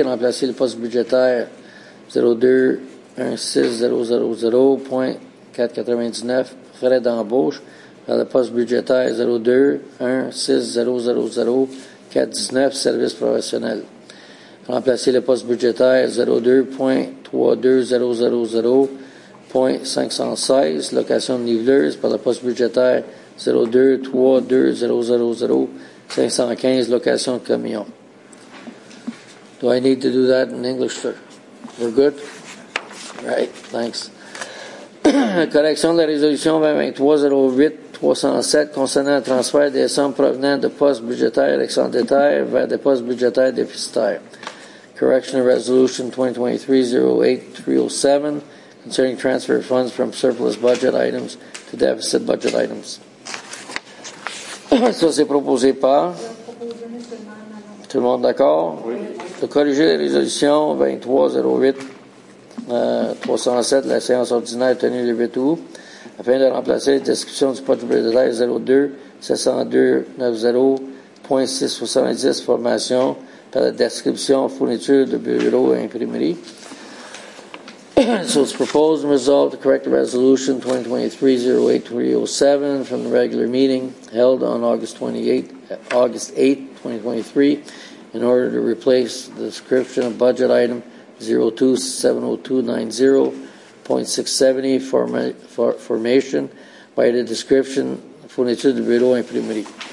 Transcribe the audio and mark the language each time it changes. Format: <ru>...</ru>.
<fr>Remplacer le poste budgétaire 02-16-000.499 frais d'embauche par le poste budgétaire 02-16-000.419 services professionnels. Remplacer le poste budgétaire 02.32000.516 location de niveleuse par le poste budgétaire 02.32000.515 location de camion.</fr> <en>Do I need to do that in English, sir? We're good? Right, thanks.</en> <fr>Correction de la résolution 2023-08-307 concernant le transfert des sommes provenant de postes budgétaires excédentaires vers des postes budgétaires déficitaires.</fr> <en>Correction of Resolution 2023-08-307 concerning transfer of funds from surplus budget items to deficit budget items.</en> <fr>Ça, c'est proposé par? Tout le monde d'accord? Oui. De corriger la résolution 2023-08-307 de la séance ordinaire tenue le 8 août afin de remplacer la description du budget de 02-602-90.670 formation par la description fourniture de bureau et imprimerie.</fr> <en>So it's proposed and resolved to correct the resolution 2023-08-307 from the regular meeting held on August 8, 2023, in order to replace the description of budget item 02-702-90.670 formation by the description</en> <fr>fourniture de bureau et imprimerie.</fr>